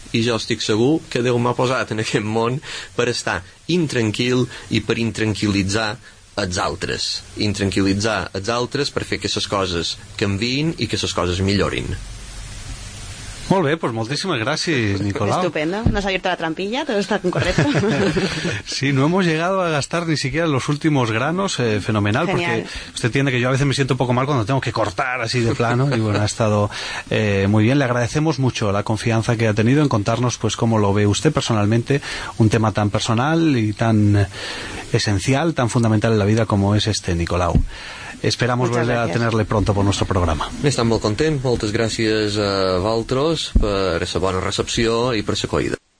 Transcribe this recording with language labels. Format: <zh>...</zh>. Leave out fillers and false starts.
<ca>I jo estic segur que Déu m'ha posat en aquest món per estar intranquil i per intranquilitzar els altres. Intranquilitzar els altres per fer que les coses canviïn i que les coses millorin. Molt bé, doncs moltíssimes gràcies, Nicolau.</ca> <es>Estupendo. No has abierto la trampilla, todo está correcto. Sí, no hemos llegado a gastar ni siquiera los últimos granos, fenomenal. Genial. Porque usted entiende que yo a veces me siento un poco mal cuando tengo que cortar así de plano, y bueno, ha estado muy bien. Le agradecemos mucho la confianza que ha tenido en contarnos pues cómo lo ve usted personalmente, un tema tan personal y tan esencial, tan fundamental en la vida como es este, Nicolau. Esperamos volver a tenerle pronto por nuestro programa.</es> <ca>Estem molt contents. Moltes gràcies a vosaltres per la bona recepció i per la acollida.</ca>